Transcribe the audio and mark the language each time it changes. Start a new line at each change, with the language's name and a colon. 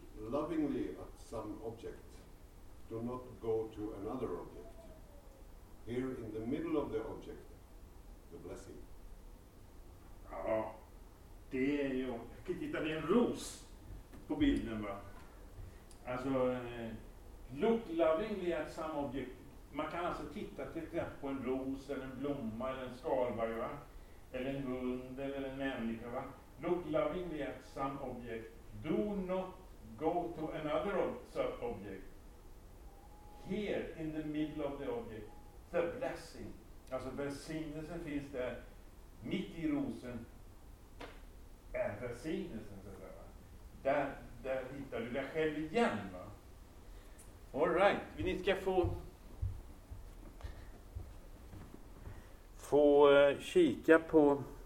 English: Lovingly at some object, do not go to another object. Here in the middle of the object, the blessing.
Swedish: Ja, det är ju, jag kan titta, det är en ros på bilden, va?
English: Alltså, look lovingly at some object.
Swedish: Man kan alltså titta till exempel på en ros, eller en blomma, eller en skalbar, va? Eller en hund, eller en människa, va?
English: Look lovingly at some object. Do not go to another object. Here, in the middle of the object, the blessing.
Swedish: Alltså, välsignelsen finns där, mitt i rosen, är välsignelsen, så att säga. Där hittar du dig själv igen, va?
English: All right,
Swedish: vi ska få kika på.